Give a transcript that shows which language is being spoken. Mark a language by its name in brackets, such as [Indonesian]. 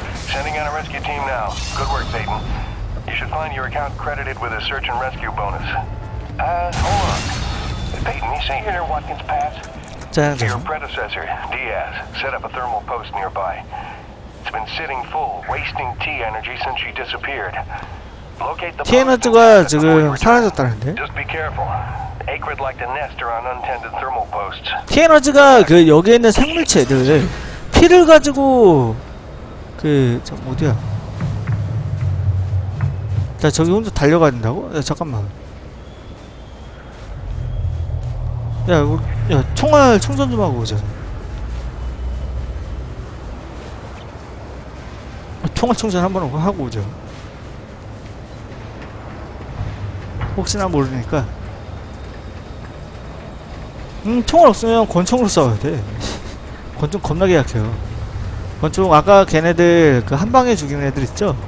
[English] Sending out a rescue team now. Good work, Peyton. You should find your account credited with a search and rescue bonus. Hold on. Peyton, you say you're near Watkins Pass? 짠짠. Your predecessor, Diaz, set up a thermal post nearby. It's been sitting full, wasting T energy since she disappeared. Locate the post. [Korean] T-energy가 지금 사라졌다는데? [English] Just be careful. Acrid like to nest around untended thermal posts. [Korean] T-energy가 그 여기에 있는 생물체들 피를 가지고 그.. 저 어디야? 나 저기 혼자 달려가야 된다고? 야 잠깐만 야 우리.. 야 총알 충전 좀 하고 오자 총알 충전 한번 하고 오자 혹시나 모르니까 총알 없으면 권총으로 싸워야 돼 권총 겁나게 약해요 권총 아까 걔네들 그 한방에 죽이는 애들 있죠?